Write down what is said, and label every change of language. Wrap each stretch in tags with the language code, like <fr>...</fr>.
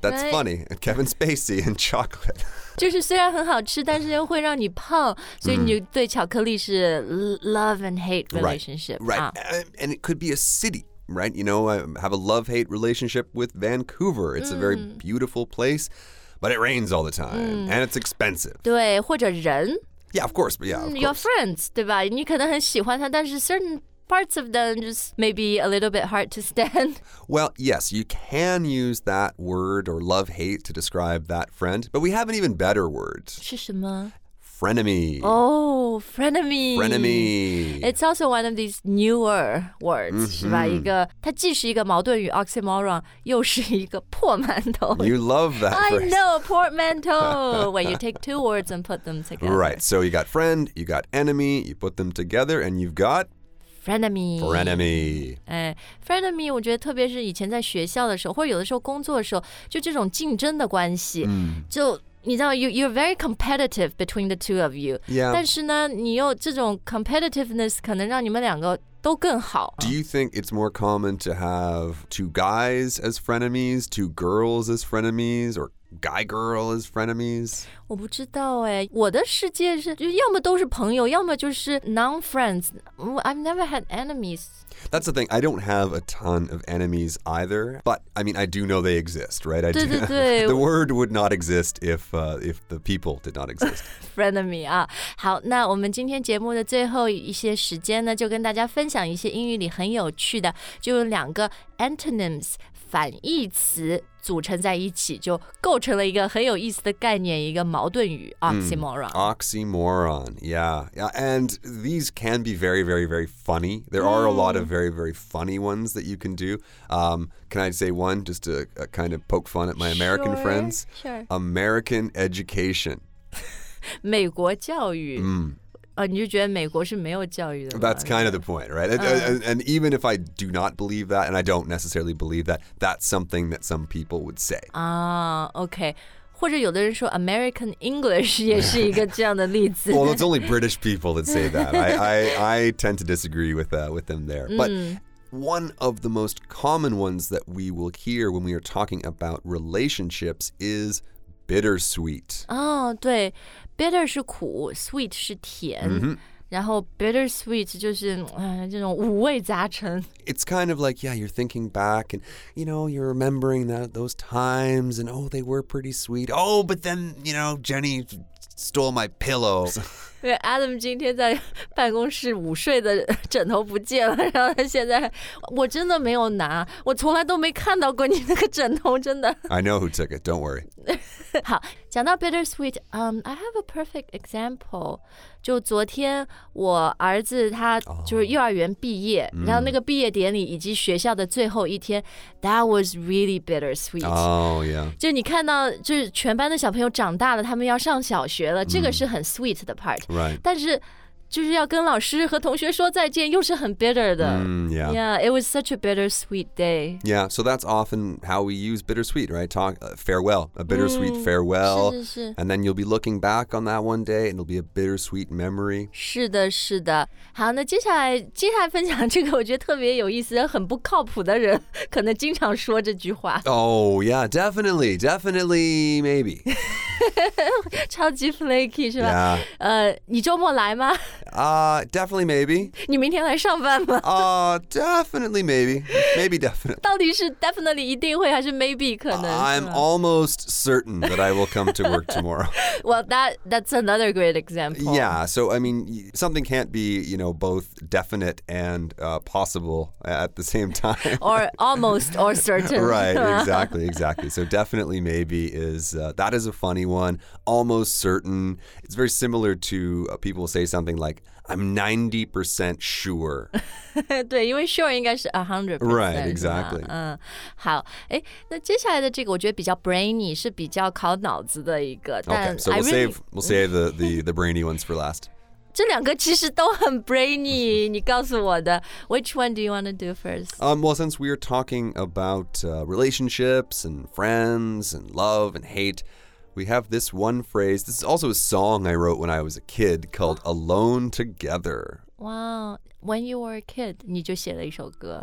<en>That's right. Funny. Kevin Spacey and chocolate.</en> <zh>就是虽然很好吃但是又会让你胖所以你对巧克力是</zh> <en>love and hate relationship. Right. Right.、Ah. And it could be a city. Right, you know, I have a love-hate relationship with Vancouver. It's a very beautiful place, but it rains all the time. And it's expensive.</en> <zh>对，或者人。</zh> <en>Yeah, of course, but yeah, of course. Your friends,</en> <zh>对吧？你可能很喜欢他，但是</zh> <en>certain parts of them just maybe a little bit hard to stand. Well, yes, you can use that word or love-hate to describe that friend, but we have an even better word.</en> <zh>是什么？</zh> <en>Frenemy. Oh, frenemy. Frenemy. It's also one of these newer words,</en> <zh>是吧？一个，它既是一个矛盾语 oxymoron, 又是一个破馒头。</zh> <en>You love that phrase. I know, portmanteau, when you take two words and put them together. Right, so you got friend, you got enemy, you put them together, and you've got... Frenemy. Frenemy.</en> <zh>Frenemy, 我觉得特别是以前在学校的时候，或者有的时候工作的时候，就这种竞争的关系，就你知道</zh> <en>you're very competitive between the two of you. Yeah.</en> <zh>但是呢你又这种 competitiveness 可能让你们两个都更好。</zh> <en>Do you think it's more common to have two guys as frenemies, two girls as frenemies, or guy-girl as frenemies?</en> <zh>我不知道哎，我的世界是就要么都是朋友，要么就是 non-friends.</zh> <en>I've never had enemies. That's the thing, I don't have a ton of enemies either, but I mean, I do know they exist, right? I</en> <zh>对对对。</zh> <en>The word would not exist if the people did not exist. Frenemy, 啊。</en> <zh>好，那我们今天节目的最后一些时间呢，就跟大家分享一些英语里很有趣的，就有两个 antonyms, 反义词组成在一起，就构成了一个很有意思的概念，一个矛盾语 oxymoron.</zh> <en>Oxymoron, yeah. And these can be very, very, very funny. There are a lot of very, very funny ones that you can do. Can I say one, just to kind of poke fun at my American sure, friends? Sure. American education.</en> <zh>美国教育。你就觉得美国是没有教育的吗?</zh> <en>That's kind of the point, right? And even if I do not believe that, and I don't necessarily believe that, that's something that some people would say. Okay.</en> <zh>或者有的人说 American English 也是一个这样的例子。</zh> <en>Well, it's only British people that say that. I tend to disagree with them there. But one of the most common ones that we will hear when we are talking about relationships is... Bittersweet.</en> <zh>Oh, 对 Bitter 是苦 Sweet 是甜、然后 bittersweet 就是、这种五味杂陈</zh> <en>It's kind of like, yeah, you're thinking back and, you know, you're remembering that, those times and, oh, they were pretty sweet. Oh, but then, you know, Jenny stole my pillow.</en> <zh>Adam 今天在办公室午睡的枕头不见了然后他现在我真的没有拿我从来都没看到过你那个枕头真的</zh> <en>I know who took it, don't worry. 好讲到 bittersweet, I have a perfect example.</en> <zh>就昨天我儿子他就是幼儿园毕业、然后那个毕业典礼以及学校的最后一天</zh> <en>that was really bittersweet. Oh, yeah.</en> <zh>就你看到就是全班的小朋友长大了他们要上小学了、这个是很 sweet 的 part.</zh> <en>Right.</en> <zh>但是就是要跟老师和同学说再见又是很 bitter 的、</zh> <en>yeah. yeah, it was such a bittersweet day. Yeah, so that's often how we use bittersweet, right? Talk, farewell, a bittersweet farewell.</en> <zh>是是是</zh> <en>And then you'll be looking back on that one day and it'll be a bittersweet memory.</en> <zh>是的是的。好那接下来分享这个我觉得特别有意思很不靠谱的人可能经常说这句话。</zh> <en>Oh, yeah, definitely, definitely, maybe.</en> <zh>超级 flaky, 是吧、</zh> <en>yeah.</en> <zh>你周末来吗</zh> <en>Definitely maybe.</en> <zh>你明天来上班吗？</zh> <en>Definitely maybe. Maybe definitely.</en> <zh>到底是 definitely 一定会还是 maybe 可能、</zh> <en>I'm almost certain that I will come to work tomorrow. Well, that's another great example. Yeah, so I mean, something can't be, you know, both definite and、possible at the same time. Or almost or certain. Right, exactly, exactly. So definitely maybe is,、that is a funny one. Almost certain. It's very similar to、people say something like, I'm 90% sure.</en> <zh>对，因为 sure 应该是 100%.</zh> <en>Right, exactly.</en> <zh>好，那接下来的这个我觉得比较 brainy, 是比较考脑子的一个。</zh> <en>Okay, so we'll save the brainy ones for last.</en> <zh>这两个其实都很 brainy, 你告诉我的。</zh> <en>Which one do you want to do first? Well, since we are talking about、relationships and friends and love and hate,we have this one phrase. This is also a song I wrote when I was a kid called Alone Together. Wow. When you were a kid,</en> <zh>你就写了一首歌。</zh>